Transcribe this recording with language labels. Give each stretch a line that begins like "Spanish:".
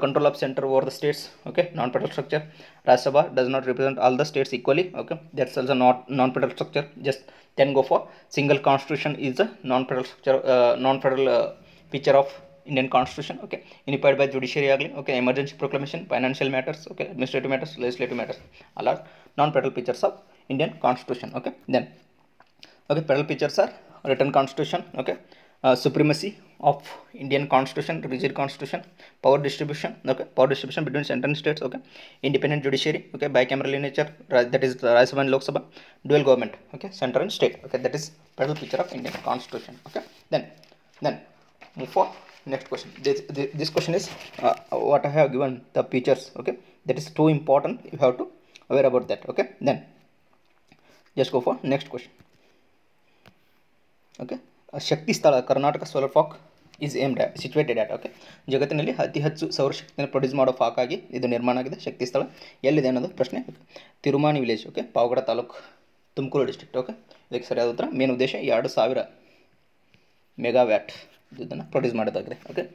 English: Of centre over the States okay non federal structure Rajya Sabha does not represent all the States equally okay that's also non federal structure just then go for single constitution is a non federal structure non federal feature of Indian constitution okay unified by judiciary ಆಗಲಿ okay emergency proclamation financial matters okay administrative matters legislative matters all are non federal features of Indian constitution okay then okay federal features are written constitution okay supremacy of Indian constitution, rigid constitution, power distribution, okay, power distribution between central and states, okay, independent judiciary, okay, bicameral in nature, that is the Rajya Sabha and Lok Sabha, dual government, okay, central and state, okay, that is federal picture of Indian constitution, okay. Then move for next question. This question is what I have given the features, okay, that is too important, you have to aware about that, okay. Then just go for next question, okay.
Kannada: ಶಕ್ತಿ ಸ್ಥಳ Karnataka solar ಫಾಕ್ is aimed at situated at okay ಜಗತ್ತಿನಲ್ಲಿ ಅತಿ ಹೆಚ್ಚು ಸೌರಶಕ್ತಿಯನ್ನು produce ಮಾಡೋ ಫಾಕ್ ಆಗಿ ಇದು ನಿರ್ಮಾಣ ಆಗಿದೆ. ಶಕ್ತಿ ಸ್ಥಳ ಎಲ್ಲಿದೆ ಅನ್ನೋದು ಪ್ರಶ್ನೆ. ತಿರುಮಾಣಿ village okay, Pavagada taluk, Tumakuru district okay. ಇದಕ್ಕೆ ಸರಿಯಾದ ಉತ್ತರ, ಮೇನ್ ಉದ್ದೇಶ 2000 ಮೆಗಾವ್ಯಾಟ್ ಇದನ್ನು ಪ್ರೊಡ್ಯೂಸ್ ಮಾಡೋದಾಗಿದೆ ಓಕೆ.